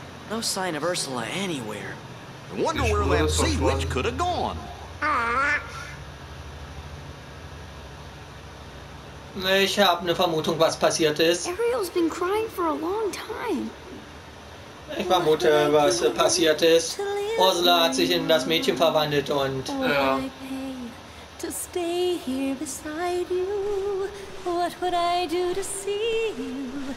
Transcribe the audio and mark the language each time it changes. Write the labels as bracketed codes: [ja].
[en] No sign of Ursula anywhere. I wonder where that sea witch could have gone. [de] Ich habe eine Vermutung, was passiert ist. [en] Ariel's been crying for a long time. [de] Ich vermute, was passiert ist. Ursula hat sich in das Mädchen verwandelt und. [en] To stay here beside you. What would I do to see you?